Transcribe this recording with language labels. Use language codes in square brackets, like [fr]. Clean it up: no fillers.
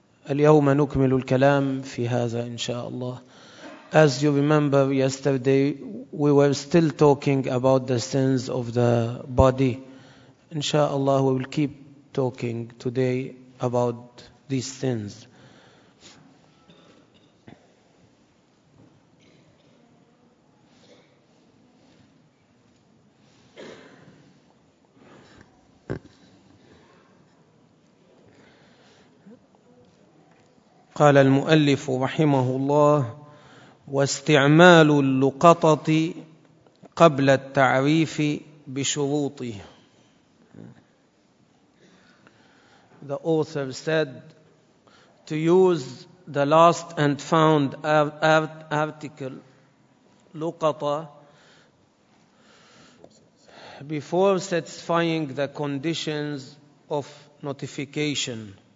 [ar] اليوم نكمل الكلام في هذا إن شاء الله. [en] As you remember, yesterday we were still talking about the sins of the body. Inshallah, we will keep talking today about these sins. [ar] قال المؤلف رحمه الله: واستعمال اللقطط قبل التعريف بشروطه. [en] The author said to use the last and found article لقطة before satisfying the conditions of notification.